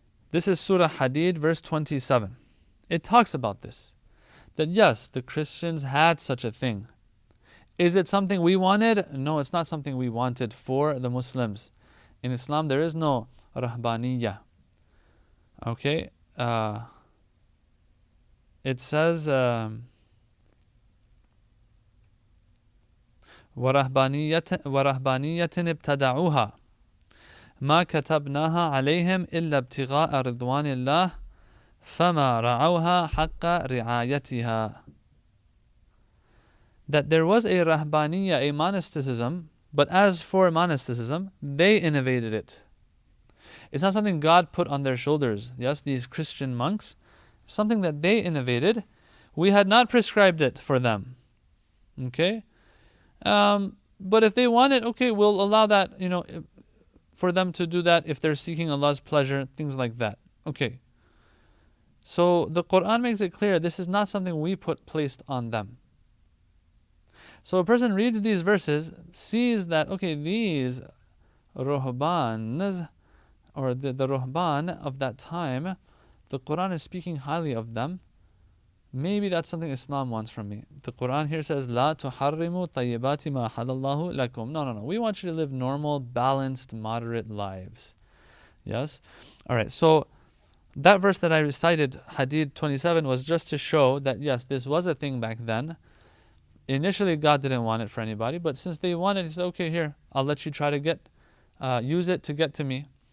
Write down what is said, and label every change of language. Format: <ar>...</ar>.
<en>This is Surah Hadid, verse 27. It talks about this. That yes, the Christians had such a thing. Is it something we wanted? No, it's not something we wanted for the Muslims. In Islam, there is no rahbaniyya. Okay? It says,</en> <ar>وَرَهْبَانِيَّةٍ ابْتَدَعُوهَا ما كتبناها عليهم إلا ابتغاء رضوان الله فما رعوها حق رعايتها.</ar> <en>That there was a rahbaniyya, a monasticism, but as for monasticism, they innovated it. It's not something God put on their shoulders, yes, these Christian monks, something that they innovated. We had not prescribed it for them. Okay? But if they want it, okay, we'll allow that, you know, for them to do that if they're seeking Allah's pleasure, things like that. Okay. So the Quran makes it clear this is not something we placed on them. So a person reads these verses, sees that, okay, these ruhbans, or the ruhban of that time, the Quran is speaking highly of them. Maybe that's something Islam wants from me. The Quran here says,</en> <ar>لا تحرموا طيبات ما حل الله لكم.</ar> <en>No, no, no. We want you to live normal, balanced, moderate lives. Yes? Alright, so that verse that I recited, Hadid 27, was just to show that yes, this was a thing back then. Initially, God didn't want it for anybody, but since they wanted it, He said, okay, here, I'll let you try to get, use it to get to me.</en>